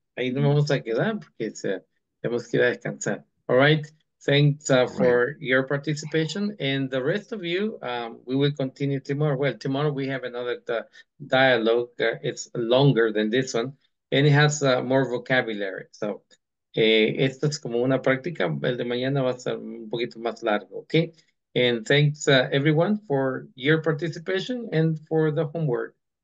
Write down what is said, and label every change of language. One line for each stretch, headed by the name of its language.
Spanish: Ahí nos vamos a quedar porque tenemos que ir a descansar.
English: All right. Thanks for your participation. And the rest of you, we will continue tomorrow. Well, tomorrow we have another dialogue. It's longer than this one. And it has more vocabulary. So, esto es como una práctica.
Spanish: El de mañana va a ser un poquito más largo, okay?
English: And thanks, everyone, for your participation and for the homework.